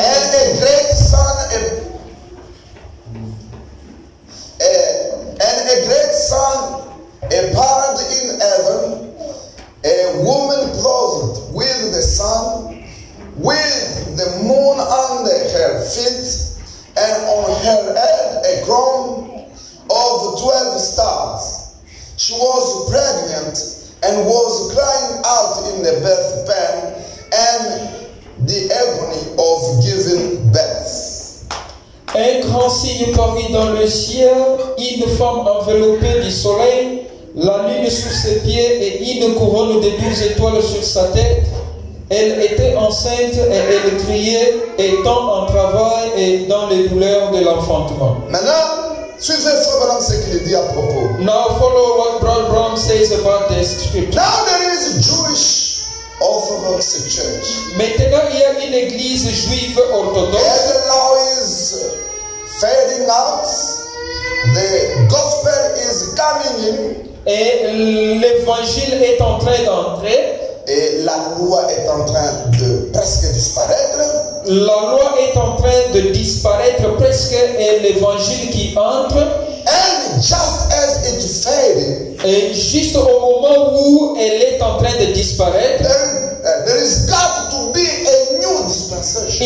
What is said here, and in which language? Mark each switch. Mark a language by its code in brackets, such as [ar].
[fr] Elle est grecque, sans et [en] a great sun appeared in heaven, a woman clothed with the sun, with the moon under her feet, and on her head a crown of 12 stars. She was pregnant and was crying out in the birth pain and the agony of giving birth. [fr] Un grand signe parut dans le ciel, une femme enveloppée du soleil, la lune sous ses pieds et une couronne de 12 étoiles sur sa tête. Elle était enceinte et elle criait, étant en travail et dans les douleurs de l'enfantement. Maintenant, suivez Frère Branham ce qu'il dit à propos. [en] Now follow what Brother Branham says about this scripture. Now there is a Jewish Orthodox Church. [fr] Maintenant, il y a une église juive orthodoxe. [en] And now is fading out. The gospel is coming in. [fr] Et l'évangile est en train d'entrer. Et la loi est en train de presque disparaître. La loi est en train de disparaître presque et l'évangile qui entre. [en] And just as it fading. [fr] Et juste au moment où elle est en train de disparaître. [en] There is got to be a new dispensation.